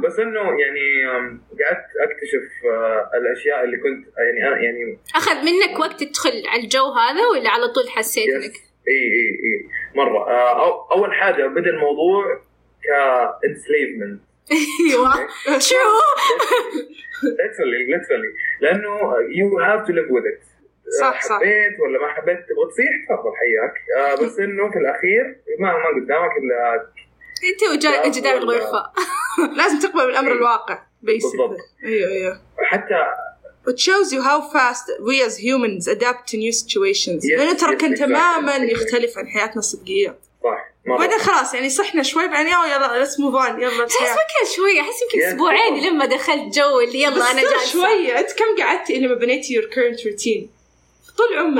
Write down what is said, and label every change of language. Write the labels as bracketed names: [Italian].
[Arabic] بس إنه يعني قعدت أكتشف الأشياء اللي كنت يعني أنا يعني. أخذ منك وقت تدخل على الجو هذا ولا على طول حسيت إنك؟ إي مرة. أول حاجة بدأ الموضوع كإنسليفمنت. إيوه. شو؟ [English] literally [Arabic] لأنه [English] you have to live with it. [Arabic] صح حبيت ولا ما حبيت تبغى تصيح تفضل حياك, بس انه في الاخير ما قدامك الا انت وجدار الغرفه. لازم تقبل بالامر الواقع بيسك. بالضبط. ايوه حتى [English] it shows you how fast we as humans adapt to new situations. [Arabic] لانه ترى كان تماما يختلف عن حياتنا الصدقيه. بعدين خلاص يعني صحنا شوي بعدين يلا بس موف اون. يلا تحس مكان شوي احس يمكن اسبوعين لما دخلت جو اللي يلا انا جاي شوي. انت كم قعدت لما بنيتي [English] your current routine؟ [Arabic] طول عمري